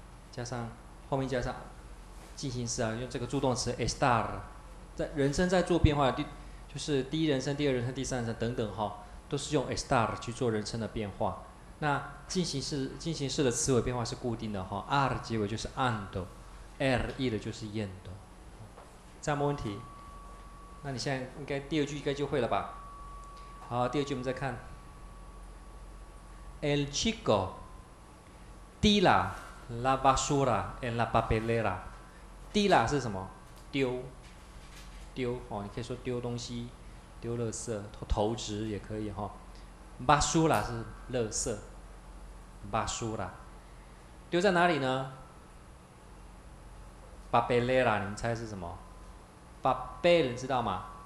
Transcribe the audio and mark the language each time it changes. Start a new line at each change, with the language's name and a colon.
Chinese: 加上后面加上进行式啊，用这个助动词 estar， 在人生在做变化，就是第一人称、第二人称、第三人称等等哈，都是用 estar 去做人称的变化。那进行式的词尾变化是固定的哈 ，r 结尾就是 ando，r e 的就是 endo， 这样没问题。那你现在应该第二句应该就会了吧？好，第二句我们再看 ，
Spanish: el chico tira la basura en la papelera，
Chinese: tira 是什么？丢哦，你可以说丢东西、丢垃圾、投掷也可以哈。 basura 是垃圾。把书啦，丢在哪里呢 ？Papelera， 你们猜是什么 ？Papel 知道吗？